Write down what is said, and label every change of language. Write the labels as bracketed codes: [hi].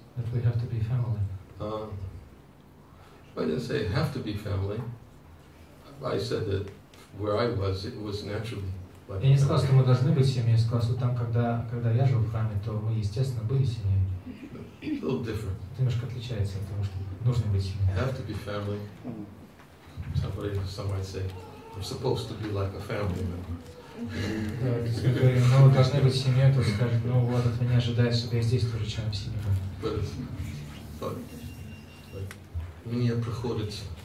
[en] That we have to be family. I didn't say have to be family. I said that where I was, it was naturally. [ru] Я не сказал, что мы должны быть семьей. Я сказал, что там, когда я жил в храме, то мы естественно были семьей. [en] A little different. [ru] Это немножко отличается от того, что нужно быть семьей. [en] Have to be family. Some might say, I'm supposed to be like a family member. [ru] Мы должны быть семьей, то скажет, ну вот от меня ожидает, чтобы я здесь тоже членом семьи. But меня проходит.